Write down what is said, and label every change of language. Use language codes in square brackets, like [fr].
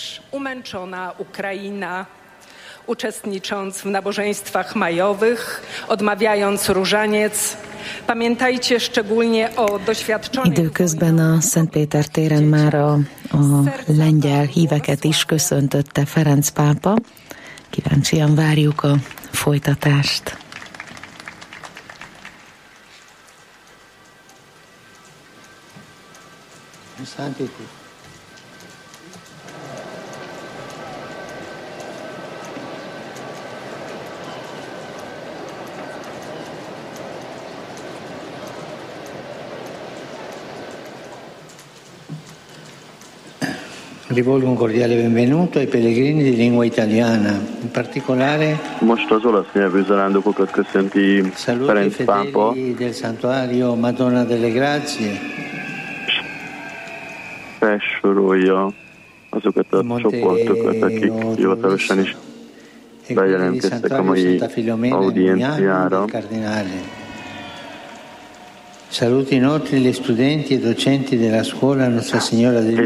[pl] Umęczona Ukraina, uczestnicząc w nabożeństwach majowych, odmawiając różaniec. Pamiętajcie szczególnie o doświadczonej. [hu] Időközben a Szentpéter téren már a lengyel híveket is köszöntötte Ferenc pápa. Kíváncsian várjuk a folytatást. [it] Rivolgo un cordiale benvenuto ai pellegrini di lingua italiana, in particolare. [hu] Most az olasz nyelvű zarándokokat köszönti Ferenc pápa. [it] Del santuario Madonna delle Grazie. [hu] Felsorolja azokat a csoportokat, akik hivatalosan is bejelentkeztek a mai audienciára. [it] Saluti inoltre gli studenti e docenti della scuola Nostra Signora di Lourdes.